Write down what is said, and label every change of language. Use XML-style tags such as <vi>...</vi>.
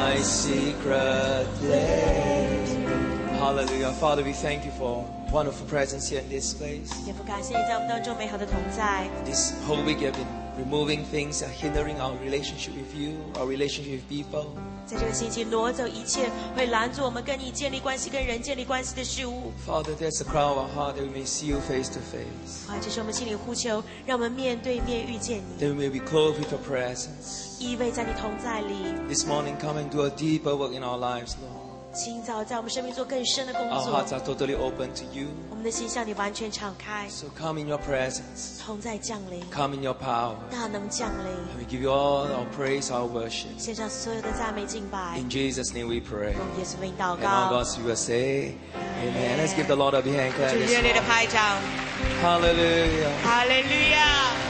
<en>secret place. Hallelujah. Father, we thank you for wonderful presence here in this place. This whole week you've been removing things that are hindering our relationship with you, our relationship with people.</en> <zh>在这个星期挪走一切会拦阻我们跟你建立关系跟人建立关系的事物。</zh> <en>Father, there's a cry of our heart that we may see you face to face.</en> <zh>这是我们心里呼求让我们面对面遇见你。</zh> <en>That we may be clothed with your presence.</en> <zh>依偎在你同在里。</zh> <en>This morning come and do a deeper work in our lives, Lord.</en> <zh>清早在我们生命做更深的工作。</zh> <en>Our hearts are totally open to you.</en> <zh>我们的心向你完全敞开。</zh> <en>So come in your presence.</en> <zh>同在降临。</zh> <en>Come in your power.</en> <zh>大能降临。</zh> <en>And we give you all our praise, our worship.</en> <zh>献上所有的赞美敬拜。</zh> <en>In Jesus' name we pray.</en> <zh>用耶稣名祷告。</zh> <en>And all God's people say, Amen. Amen. Let's give the Lord a big hand clap.</en> <zh>主热烈的拍掌。</zh> <en>Hallelujah. Hallelujah.</en>